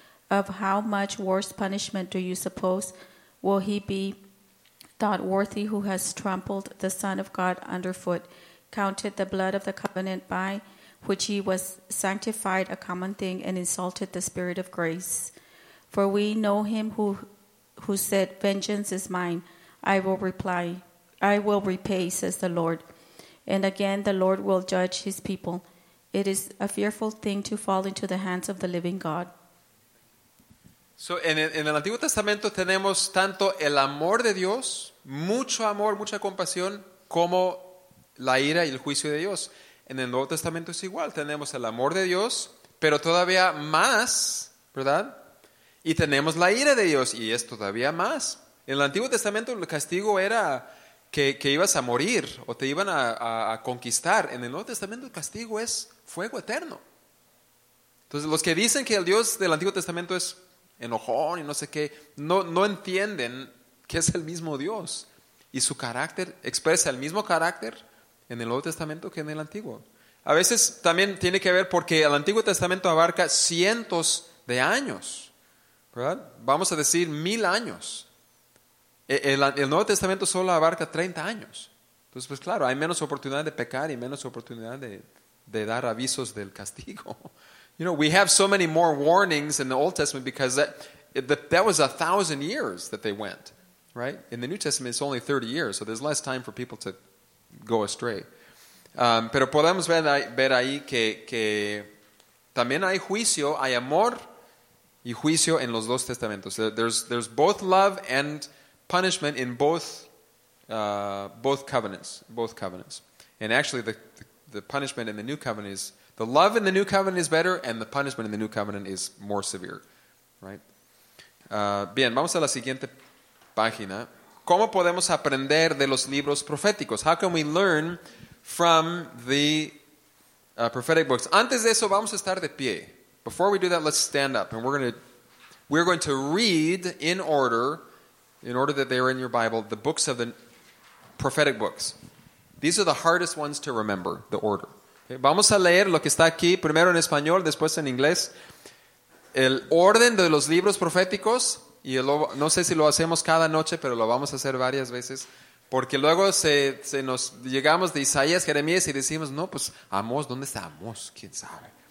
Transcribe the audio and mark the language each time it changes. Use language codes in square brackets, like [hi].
[en] Of how much worse punishment do you suppose will he be thought worthy who has trampled the Son of God underfoot, counted the blood of the covenant by which he was sanctified a common thing, and insulted the Spirit of grace? For we know him who said, vengeance is mine, I will repay, says the Lord. And again the Lord will judge his people. It is a fearful thing to fall into the hands of the living God. [es] So, en el Antiguo Testamento tenemos tanto el amor de Dios, mucho amor, mucha compasión, como la ira y el juicio de Dios. En el Nuevo Testamento es igual, tenemos el amor de Dios, pero todavía más, ¿verdad? Y tenemos la ira de Dios, y es todavía más. En el Antiguo Testamento el castigo era que ibas a morir o te iban a conquistar. En el Nuevo Testamento el castigo es fuego eterno. Entonces, los que dicen que el Dios del Antiguo Testamento es enojón y no sé qué, no entienden que es el mismo Dios. Y su carácter expresa el mismo carácter en el Nuevo Testamento que en el Antiguo. A veces también tiene que ver porque el Antiguo Testamento abarca cientos de años, ¿verdad? Vamos a decir 1,000 años. El Nuevo Testamento solo abarca 30 años. Entonces, pues claro, hay menos oportunidad de pecar y menos oportunidad de dar avisos del castigo. [en] You know, we have so many more warnings in the Old Testament because that was 1,000 years that they went, right? In the New Testament, it's only 30 years, so there's less time for people to go astray. [es] Pero podemos ver ahí que también hay juicio, hay amor y juicio en los dos testamentos. [en] There's both love and punishment in both covenants. And actually, the punishment in the New Covenant is, the love in the New Covenant is better, and the punishment in the New Covenant is more severe, right? [es] Bien, vamos a la siguiente página. ¿Cómo podemos aprender de los libros proféticos? [en] How can we learn from the prophetic books? [es] Antes de eso, vamos a estar de pie. [en] Before we do that, let's stand up, and we're going to read in order that they are in your Bible, the books of the prophetic books. These are the hardest ones to remember, the order. [es] Okay, vamos a leer lo que está aquí, primero en español, después en inglés. El orden de los libros proféticos, y no sé si lo hacemos cada noche, pero lo vamos a hacer varias veces, porque luego se nos llegamos de Isaías, Jeremías, y decimos, no, pues Amós, ¿dónde está Amós? ¿Quién sabe?